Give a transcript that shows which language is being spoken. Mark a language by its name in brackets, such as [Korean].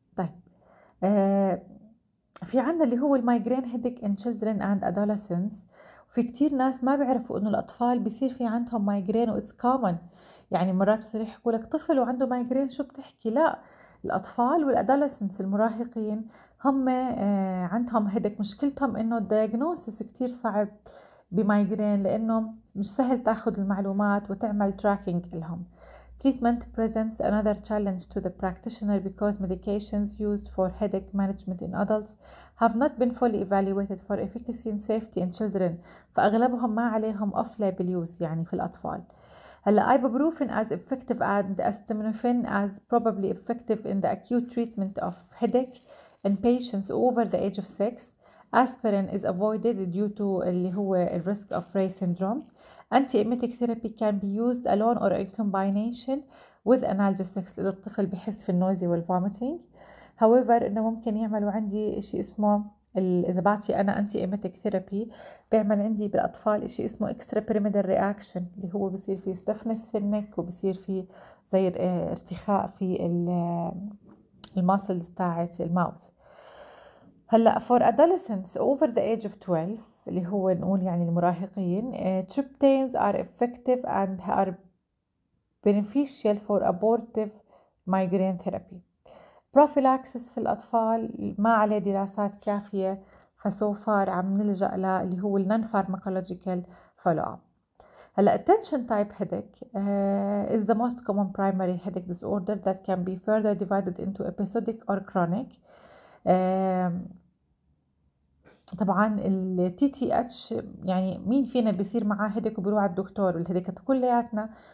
[Arabic] طيب في عنا اللي هو المايجرين هيديك ان تشيلدرن اند ادوليسنس، وفي كتير ناس ما بيعرفوا انه الاطفال بيصير في عندهم مايجرين، واتس كومن، يعني مرات بصير يحكوا لك طفل وعنده مايجرين شو بتحكي. لا، الاطفال والادوليسنس المراهقين هم عندهم هيديك، مشكلتهم انه الدياجنوسيس كتير صعب بمايجرين لانه مش سهل تاخذ المعلومات وتعمل تراكينج لهم. [English] Treatment presents another challenge to the practitioner because medications used for headache management in adults have not been fully evaluated for efficacy and safety in children. [Arabic] فأغلبهم ما عليهم [English] off-label use [Arabic] يعني في الأطفال. [English] هلا ibuprofen as effective and acetaminophen as probably effective in the acute treatment of headache in patients over the age of 6. Aspirin is avoided due to [Arabic] اللي هو [English] risk of Ray syndrome. Anti-emetic therapy can be used alone or in combination with analgesics [Arabic] إذا الطفل بحس في النوزي والفوميتينج. However إنه ممكن يعملوا عندي إشي اسمه إذا بعطي أنا anti-emetic therapy بيعمل عندي بالأطفال إشي اسمه [English] extrapyramidal reaction [Arabic] اللي هو بصير فيه stiffness في النك وبصير فيه زي ارتخاء في الماسلز تاعت الماوث. [English] هلأ for adolescents over the age of 12 [Arabic] اللي هو نقول يعني المراهقين [English] triptans are effective and are beneficial for abortive migraine therapy. [Arabic] Prophylaxis في الأطفال ما عليه دراسات كافية، فسو فار عم نلجأ له اللي هو [English] non-pharmacological follow-up. هلأ attention type headache is the most common primary headache disorder that can be further divided into episodic or chronic. [Arabic] طبعا التي تي اتش يعني مين فينا بيصير معاه هيدك وبيروح على الدكتور والهيدك كلياتنا